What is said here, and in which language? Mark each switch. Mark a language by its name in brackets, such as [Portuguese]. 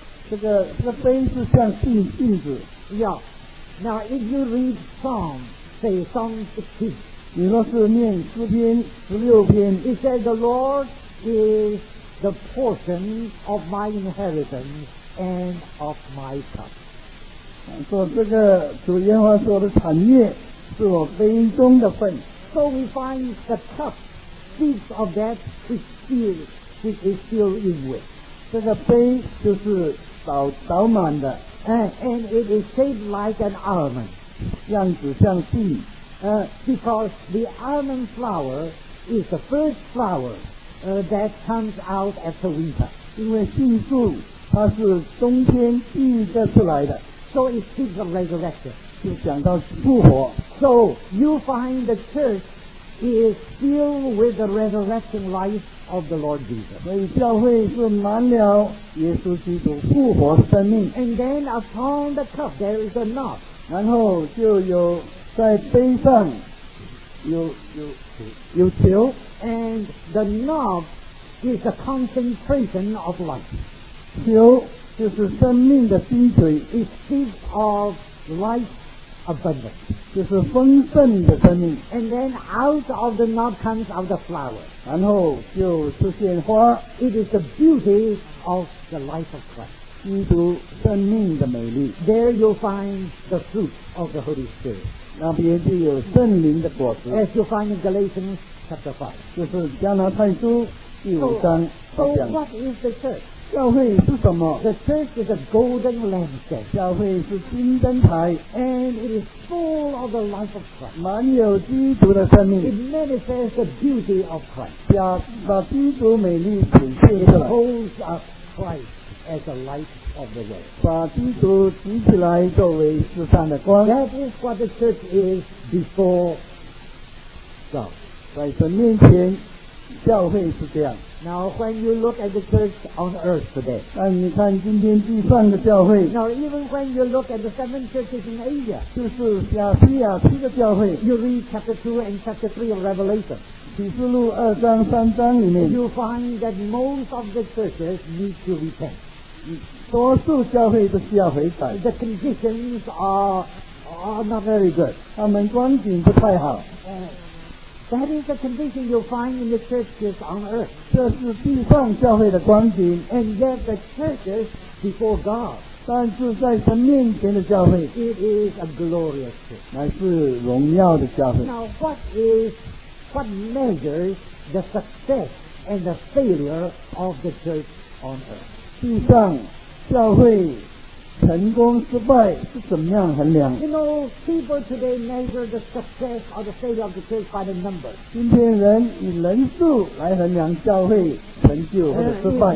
[Chinese] 这个杯是像杏子。 [English] Yeah. Now, if you read Psalm, say Psalm 16. [Chinese] 你若是念诗篇16篇。 [English] It says, the Lord is the portion of my inheritance and of my cup. [Chinese] 说这个主耶和华说的产业是我杯中的份。 [English] So we find the cup speaks of that which is. It is still in with. [Chinese] 这个杯就是倒满的。 [English] And it is shaped like an almond. [Chinese] 样子像杏。 [English] Because the almond flower is the first flower, that comes out after winter. [Chinese] 因为杏树它是冬天第一个出来的。 [English] So it speaks of resurrection. [Chinese] 就讲到复活。 [English] So you find the church is still with the resurrection life. Of the Lord Jesus. [Chinese] 所以教会是满了耶稣基督复活生命。 [English] And then upon the cup there is a knot. [Chinese] 然后就有在杯上有球。 [English] And the knot is a concentration of life. [Chinese] 球就是生命的精髓。 [English] It speaks of life abundance. [Chinese] 就是丰盛的生命 [English] and then out of the knot comes out the flower [Chinese] 然后就出现花 [English] it is the beauty of the life of Christ [Chinese] 基督生命的美丽 [English] there you'll find the fruit of the Holy Spirit [Chinese] 那边就有圣灵的果子 [English] as you find in Galatians chapter 5 [Chinese] 就是加拿太书第五章 [English] so what is the church? [Chinese] 教会是什么 [English] the church is a golden lampstand [Chinese] 教会是金灯台 [English] and it isfull of the life of Christ [Chinese] 满有基督的生命 [English] it manifests the beauty of Christ [Chinese] 把基督美丽显现出来 [English] it holds up Christ as the light of the world [Chinese] 把基督举起来作为世上的光 [English] that is what the church is before God [Chinese] 在神面前教会是这样。 [English] Now when you look at the church on earth today, [Chinese] 但你看今天地上的教会。 [English] Now even when you look at the seven churches in Asia, [Chinese] 就是亚细亚七个教会。 [English] You read chapter 2 and chapter 3 of Revelation. [Chinese] 启示录二章三章里面 [English] you find that most of the churches need to repent. [Chinese] 多数教会都需要悔改。 [English] The conditions are not very good. [Chinese] 他们光景不太好。 [English] That is the condition you find in the churches on earth. [Chinese] 这是地上教会的光景。 [English] And yet the churches before God. [Chinese] 但是在神面前的教会 [English] it is a glorious church. [Chinese] 乃是荣耀的教会。 [English] Now what measures the success and the failure of the church on earth? [Chinese] 地上教会成功失败是怎么样衡量？ [English] You know, people today measure the success or the failure of the church by the number. [Chinese] 今天人以人数来衡量教会成就或者失败。